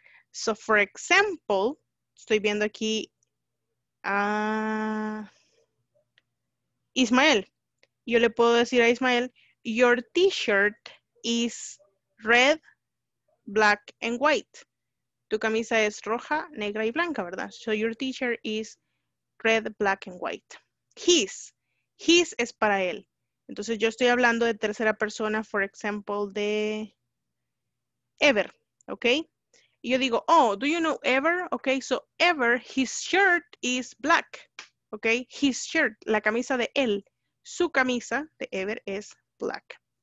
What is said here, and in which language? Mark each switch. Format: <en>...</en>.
<en>So, for example,</en> <es>estoy viendo aquí a Ismael. Yo le puedo decir a Ismael,</es> <en>your t-shirt is red, black, and white.</en> <es>Tu camisa es roja, negra y blanca, ¿verdad?</es> <en>So, your t-shirt is red, black, and white.</en> <es>His es para él. Entonces, yo estoy hablando de tercera persona,</es> <en>for example,</en> <es>de Ever, ¿ok? Y yo digo,</es> <en>oh, do you know Ever? Ok, so Ever, his shirt is black, ¿ok? His shirt,</en> <es>la camisa de él, su camisa de Ever es black.</es>